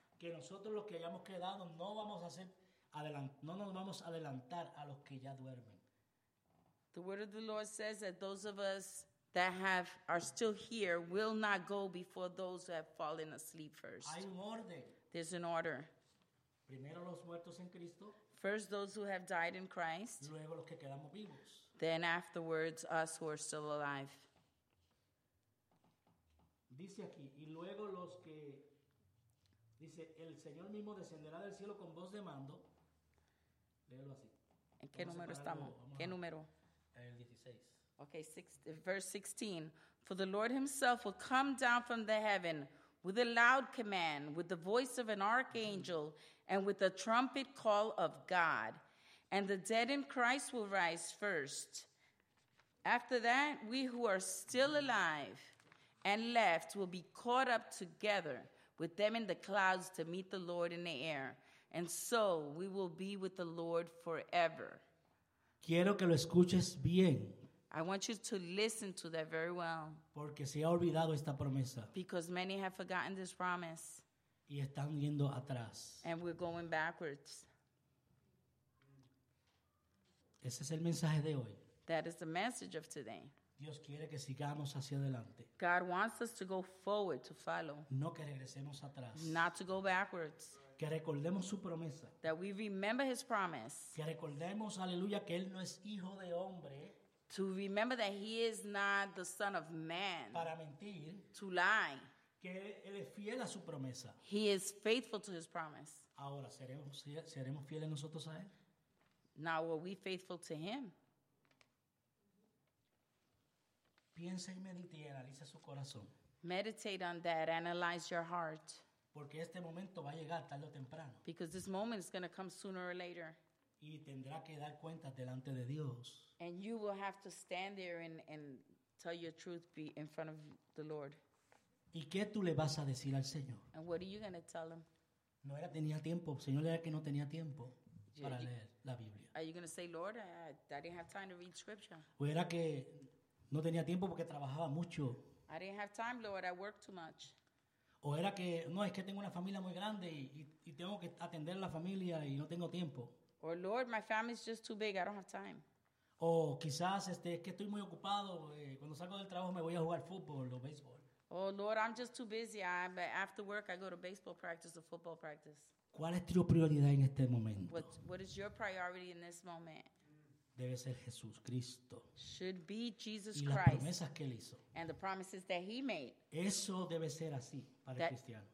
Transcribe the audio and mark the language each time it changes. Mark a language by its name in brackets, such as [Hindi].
[Spanish] Que nosotros los que hayamos quedado no vamos a hacer no nos vamos a adelantar a los que ya duermen. [English] The word of the Lord says that those of us that are still here will not go before those who have fallen asleep first. [Spanish] Hay un orden. [English] There's an order. [Spanish] Primero los muertos en Cristo. [English] First, those who have died in Christ. [Spanish] Luego los que quedamos vivos. [English] Then afterwards, us who are still alive. [Spanish] Dice aquí, y luego los que, dice, el Señor mismo descenderá del cielo con voz de mando. Léelo así. ¿En qué número estamos? ¿Qué número? El 16. [English] Okay, verse 16. For the Lord himself will come down from the heaven with a loud command, with the voice of an archangel, and with the trumpet call of God. And the dead in Christ will rise first. After that, we who are still alive and left will be caught up together with them in the clouds to meet the Lord in the air. And so we will be with the Lord forever. [Spanish] Quiero que lo escuches bien. [English] I want you to listen to that very well. [Spanish] Porque se ha olvidado esta promesa. [English] Because many have forgotten this promise. [Spanish] Y están yendo atrás. [English] And we're going backwards. [Spanish] Ese es el mensaje de hoy. [English] That is the message of today. [Spanish] Dios quiere que sigamos hacia adelante. [English] God wants us to go forward, to follow. [Spanish] No que regresemos atrás. [English] Not to go backwards. [Spanish] Que recordemos su promesa. [English] That we remember his promise. [Spanish] Que recordemos, aleluya, que él no es hijo de hombre. [English] To remember that he is not the son of man. [Spanish] Para mentir. [English] To lie. [Spanish] Que él es fiel a su promesa. [English] He is faithful to his promise. [Spanish] Ahora, ¿seremos fieles nosotros a él? [English] Now, are we faithful to him? [Spanish] Piensa y medite y analiza su corazón. [English] Meditate on that. Analyze your heart. [Spanish] Porque este momento va a llegar tarde o temprano. [English] Because this moment is going to come sooner or later. [Spanish] Y tendrá que dar cuentas delante de Dios. [English] And you will have to stand there and tell your truth be in front of the Lord. [Spanish] ¿Y qué tú le vas a decir al Señor? [English] And what are you going to tell him? [Spanish] No era tenía tiempo. Señor, era que no tenía tiempo para leer la Biblia. [English] Are you going to say, Lord, I didn't have time to read scripture. [Spanish] O era que no tenía tiempo porque trabajaba mucho. [English] I didn't have time, Lord, I worked too much. [Spanish] O era que, no, es que tengo una familia muy grande y tengo que atender a la familia y no tengo tiempo. [English] Or, Lord, my family is just too big. I don't have time. [Spanish] O quizás es que estoy muy ocupado. Cuando salgo del trabajo me voy a jugar fútbol o béisbol. [English] Oh, Lord, I'm just too busy. But after work, I go to baseball practice or football practice. [Spanish] ¿Cuál es tu prioridad en este momento? [English] What is your priority in this moment? [Spanish] Debe ser Jesús Cristo. [English] Should be Jesus Christ. [Spanish] Y las promesas que él hizo. [English] And the promises that he made. [Spanish] Eso debe ser así para el cristiano.